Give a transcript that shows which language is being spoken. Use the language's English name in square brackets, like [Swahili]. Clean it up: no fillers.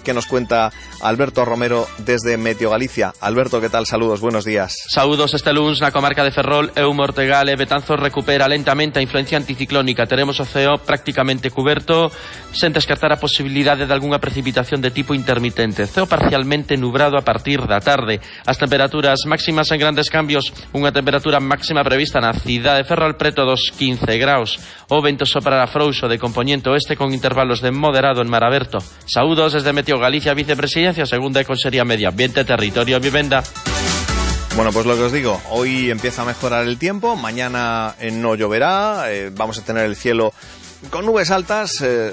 [Spanish] ¿Qué nos cuenta Alberto Romero desde Meteo Galicia? Alberto, ¿qué tal? Saludos, buenos días. Saludos, este lunes, la comarca de Ferrol, Eumo Ortegale, Betanzos recupera lentamente a influencia anticiclónica. [Galician] Tenemos o ceo prácticamente cuberto, sen descartar a posibilidades de alguna precipitación de tipo intermitente. Ceo parcialmente nubrado a partir da tarde. As temperaturas máximas en grandes cambios, unha temperatura máxima prevista na cidade de Ferrol preto dos 15 graus. O vento soprará frouxo de componente oeste con intervalos de moderado en mar aberto. Saúdos desde Meteo Galicia, Vicepresidencia, Segunda Consería Medio Ambiente, Territorio y Vivienda. [Spanish] Bueno, pues lo que os digo, hoy empieza a mejorar el tiempo, mañana no lloverá, vamos a tener el cielo con nubes altas,